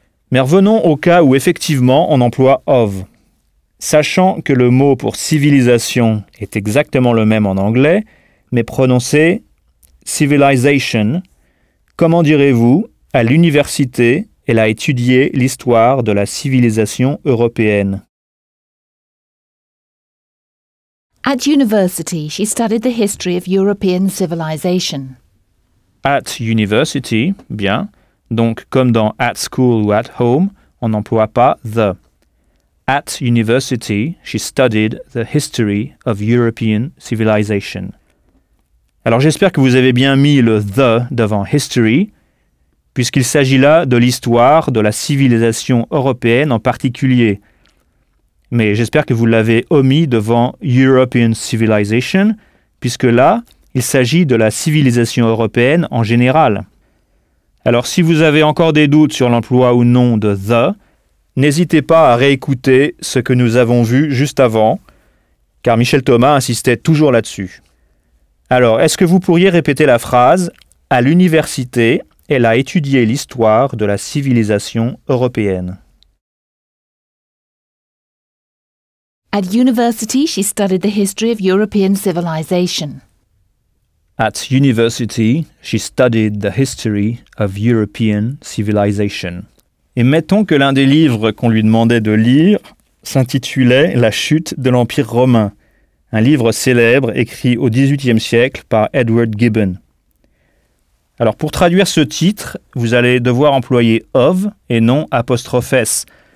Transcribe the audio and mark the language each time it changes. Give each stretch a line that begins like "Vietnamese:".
French: Mais revenons au cas où effectivement on emploie of. Sachant que le mot pour civilisation est exactement le même en anglais, mais prononcé civilization, comment direz-vous à l'université, elle a étudié l'histoire de la civilisation européenne?
English: At university, she studied the history of European civilization. At university,
French: bien. Donc, comme dans
English: at school
French: ou
English: at home,
French: on n'emploie pas the.
English: At university, she studied the history of European civilization.
French: Alors, j'espère que vous avez bien mis le the devant history, puisqu'il s'agit là de l'histoire de la civilisation européenne en particulier. Mais j'espère que vous l'avez omis devant European Civilization, puisque là, il s'agit de la civilisation européenne en général. Alors si vous avez encore des doutes sur l'emploi ou non de the, n'hésitez pas à réécouter ce que nous avons vu juste avant, car Michel Thomas insistait toujours là-dessus. Alors, est-ce que vous pourriez répéter la phrase « À l'université, elle a étudié l'histoire de la civilisation européenne ».
English: At university, she studied the history of European civilization. At university, she studied the history of European civilization.
French: Et mettons que l'un des livres qu'on lui demandait de lire s'intitulait La chute de l'Empire romain, un livre célèbre écrit au XVIIIe siècle par Edward Gibbon. Alors pour traduire ce titre, vous allez devoir employer of et non apostrophe s.